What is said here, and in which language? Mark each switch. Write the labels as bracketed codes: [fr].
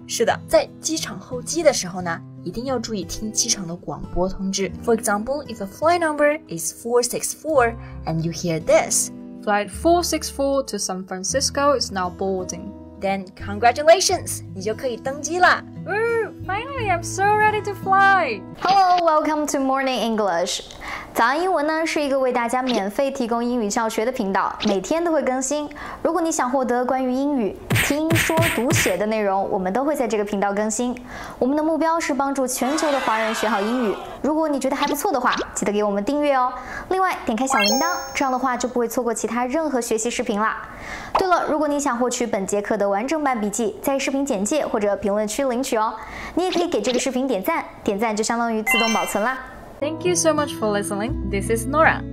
[zh] 是的，在机场候机的时候呢，一定要注意听机场的广播通知。 [en] For example, if a flight number is 464 and you hear this. Flight 464 to San Francisco is now boarding. Then congratulations, [zh] 你就可以登机了。 [en] Finally, I'm so ready to fly. Hello, welcome to Morning English. [zh] 早安英文呢是一个为大家免费提供英语教学的频道，每天都会更新。如果你想获得关于英语听说读写的内容，我们都会在这个频道更新。我们的目标是帮助全球的华人学好英语。如果你觉得还不错的话，记得给我们订阅哦。另外，点开小铃铛，这样的话就不会错过其他任何学习视频了。对了，如果你想获取本节课的完整版笔记，在视频简介或者评论区领取哦。你也可以给这个视频点赞，点赞就相当于自动保存啦。 [en] Thank you so much for listening. This is Nora.